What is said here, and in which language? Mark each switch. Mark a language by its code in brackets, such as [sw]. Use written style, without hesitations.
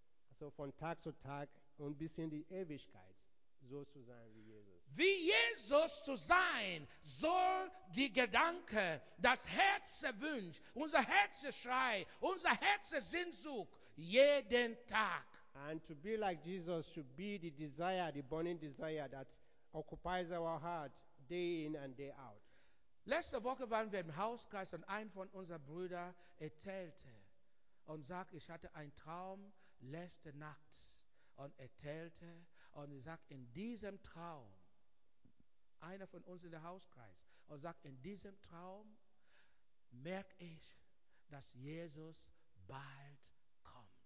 [de] Also von Tag zu Tag und bis in die Ewigkeit, so zu sein wie Jesus. Wie Jesus zu sein, soll die Gedanke, das Herzenswunsch, unser Herzensschrei, unser Herzenssehnsucht jeden Tag. [en] And to be like Jesus should be the desire, the burning desire that occupies our heart day in and day out. [de] Letzte Woche waren wir im Hauskreis und ein von unseren Brüdern erzählte und sagt, ich hatte einen Traum letzte Nacht und erzählte und sagt, in diesem Traum, einer von uns in der Hauskreis, und sagt, in diesem Traum merke ich, dass Jesus bald kommt.